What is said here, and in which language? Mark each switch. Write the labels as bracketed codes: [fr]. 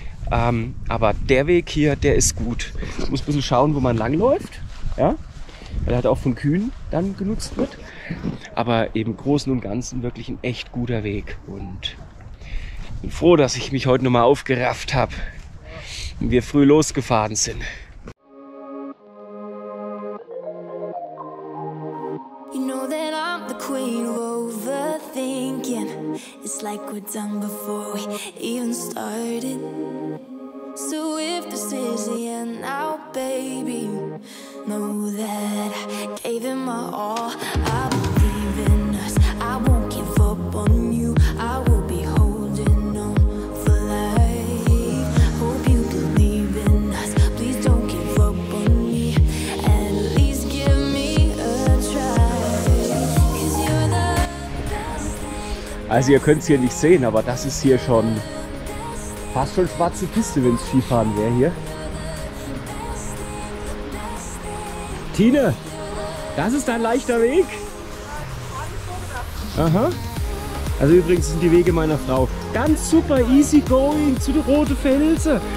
[de] Aber der Weg hier, der ist gut. Ich muss ein bisschen schauen, wo man langläuft. Ja? Weil er halt auch von Kühen dann genutzt wird. Aber im Großen und Ganzen wirklich ein echt guter Weg. Und ich bin froh, dass ich mich heute nochmal aufgerafft habe und wir früh losgefahren sind. [en] You know that I'm the queen of overthinking. It's like we're done before we even started. So if this is the end now, baby, know that I gave it my all. I believe in us, I won't give up on you. I will be holding on for life. Hope you believe in us, please don't give up on me. At least give me a try, 'cause you're the best. [de] Also ihr könnt es hier nicht sehen, aber das ist hier schon fast schon schwarze Piste, wenn es Skifahren wäre hier. Tine, das ist dein leichter Weg? Aha. Also übrigens sind die Wege meiner Frau ganz super [en] easy going [de] zu den roten Felsen.